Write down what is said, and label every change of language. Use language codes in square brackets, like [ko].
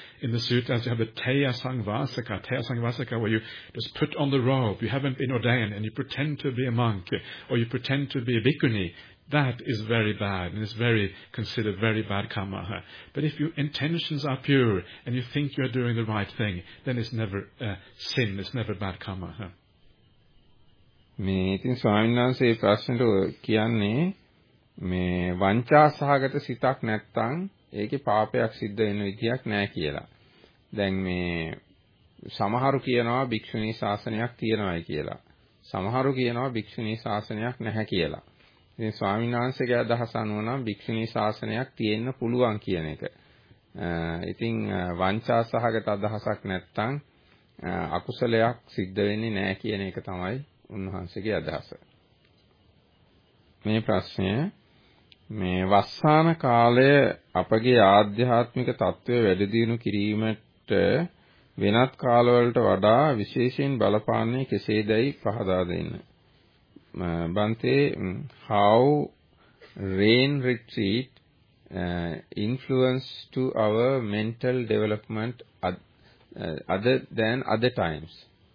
[en] In the suttas you have the teya sangvasaka, where you just put on the robe, you haven't been ordained, and you pretend to be a monk or you pretend to be a bhikkhuni. That is very bad, and it's very considered very bad karma. But if your intentions are pure and you think you're doing the right thing, then it's never sin, it's never bad karma. [si] මේ ඉතින් ස්වාමීන් වහන්සේ ප්‍රශ්නෙට කියන්නේ මේ වංචා සහගත සිතක් නැත්තම් ඒකේ පාපයක් සිද්ධ වෙන විදියක් නැහැ කියලා. දැන් මේ සමහරු කියනවා භික්ෂුණී ශාසනයක් තියෙනවායි කියලා. සමහරු කියනවා භික්ෂුණී ශාසනයක් නැහැ කියලා. ඉතින් ස්වාමීන් වහන්සේගේ අදහස අනුව නම් භික්ෂුණී ශාසනයක් තියෙන්න පුළුවන් කියන එක. ඉතින් වංචා සහගත අදහසක් නැත්තම් අකුසලයක් සිද්ධ වෙන්නේ නැහැ කියන එක තමයි උන්වහන්සේගේ අදහස. මේ ප්‍රශ්නය, මේ වස්සාන කාලය අපගේ ආධ්‍යාත්මික තත්ත්වය වැඩි දියුණු කිරීමට වෙනත් කාලවලට වඩා විශේෂයෙන් බලපාන්නේ කෙසේදයි පහදා දෙන්න. [en] බන්තේ, how rain retreat influence to our mental development other than other times.